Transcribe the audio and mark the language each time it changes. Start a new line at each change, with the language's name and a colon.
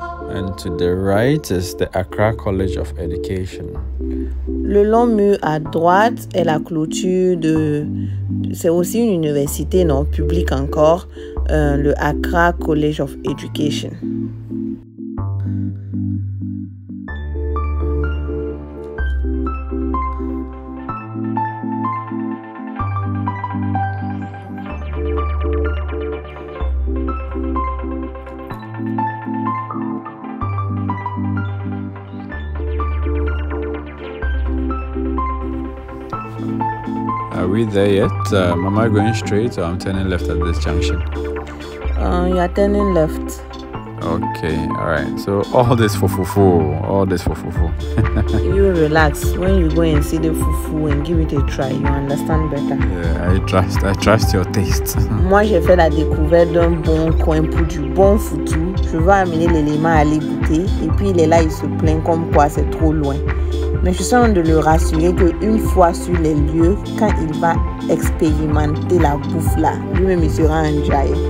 English: And to the right is the Accra College of Education.
French: Le long mur à droite est la clôture de... C'est aussi une université, non, publique encore, le Accra College of Education.
English: Are we there yet? Am I going straight or I'm turning left at this junction? You're turning left. Okay, alright. So all this fufufu, all this fufufu. You relax when you go and see the fufu and give it a try. You understand better. Yeah, I trust your taste.
French: Moi, j'ai fait la découverte d'un bon coin pour du bon fufu. Je vais amener l'élément à aller goûter et puis il est là, il se plaint comme quoi c'est trop loin. Mais je suis en train de le rassurer qu'une fois sur les lieux, quand il va expérimenter la bouffe là, lui-même il sera un jaï.